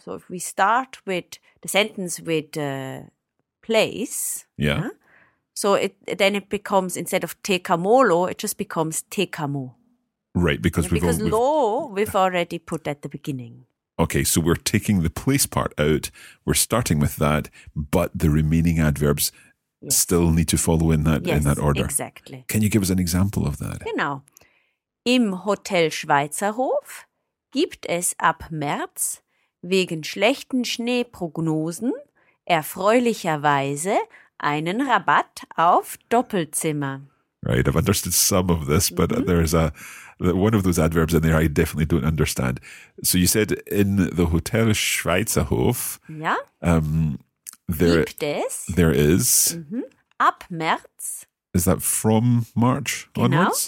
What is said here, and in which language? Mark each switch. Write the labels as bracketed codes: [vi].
[en] So if we start with the sentence with place, so it becomes, instead of tekamolo, it just becomes tekamo. Right, because we've because lo we've already put at the beginning. Okay, so we're taking the place part out, we're starting with that, but the remaining adverbs still need to follow in that order. Exactly. Can you give us an example of that? [de] Genau. Im Hotel Schweizerhof gibt es ab März wegen schlechten Schneeprognosen erfreulicherweise einen Rabatt auf Doppelzimmer. [en] Right, I've understood some of this, but there's one of those adverbs in there I definitely don't understand. So you said in the Hotel Schweizerhof. Yeah. There is. [de] Mm-hmm. Ab März. [en] Is that from March onwards?